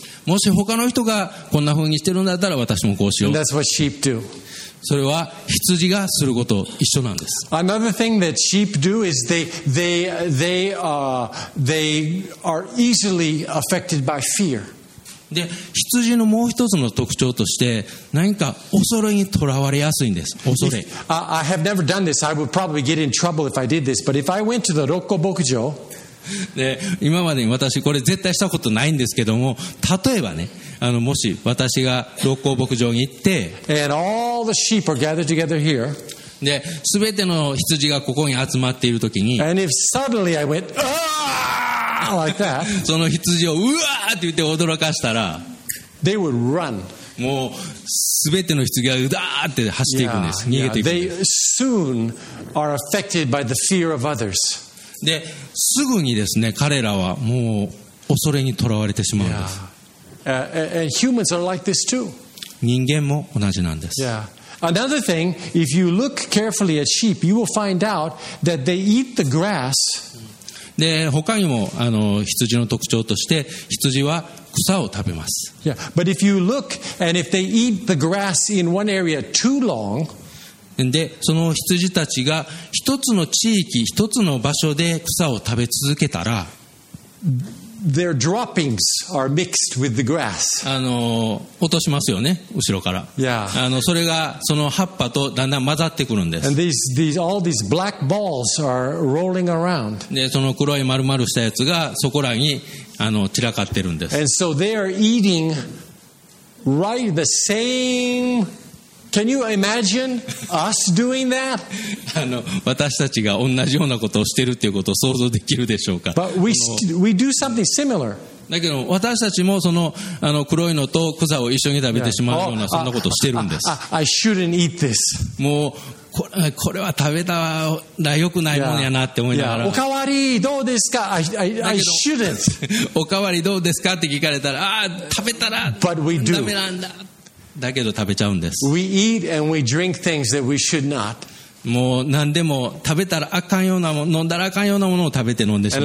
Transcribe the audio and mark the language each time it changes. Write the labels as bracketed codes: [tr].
[ja] もし他の人がこんな風にしてるんだったら私もこうしよう。 [en] That's what sheep do. [ja] それは羊がすること一緒なんです。 [en] Another thing that sheep do is they are easily affected by fear. [ja] で、羊のもう一つの特徴として何か恐れにとらわれやすいんです。恐れ。 [en] I have never done this. I would probably get in trouble if I did this. But if I went to the Rokko Bokujo, [ja] で今までに私これ絶対したことないんですけども、例えばね、もし私が六甲牧場に行って [en] And all the sheep are gathered together here. [ja] で全ての羊がここに集まっているときに [en] And if suddenly I went, like that, [ja] その羊をうわーって言って驚かしたら [en] They would run. [ja] もう全ての羊がうだーって走っていくんです、逃げていくんです。 [en] They soon are affected by the fear of others. [ja] で、すぐにですね、彼らはもう恐れにとらわれてしまうんです。 [en] And humans are like this too. [ja] 人間も同じなんです。 [en] Another thing, if you look carefully at sheep, you will find out that they eat the grass. [ja] で、他にも羊の特徴として、羊は草を食べます。 [en] Yeah, but if you look and if they eat the grass in one area too long, [ja] で、その羊たちが一つの地域、一つの場所で草を食べ続けたら、 [en] their droppings are mixed with the grass. [ja] 落としますよね、後ろから。 [en] Yeah. [ja] それがその葉っぱとだんだん混ざってくるんです。 [en] And all these black balls are rolling around. [ja] で、その黒い丸々したやつがそこらに散らかってるんです。 [en] And so they are eating right the same. Can you imagine us doing that? [ja] 私たちが同じようなことをしてるっていうことを想像できるでしょうか。 [en] But we do something similar. [ja] だけど私たちもその黒いのと草を一緒に食べてしまうようなそんなことをしてるんです。 [en] I shouldn't eat this. [ja] もうこれは食べたら良くないもんやなって思いながら、おかわりどうですか、 [en] I shouldn't. [ja] おかわりどうですかって聞かれたら、食べたらダメなんだ、だけど食べちゃうんです。 [en] We eat and we drink things that we should not. [ja] もう何でも食べたらあかんようなもの、飲んだらあかんようなものを食べて飲んでしまう。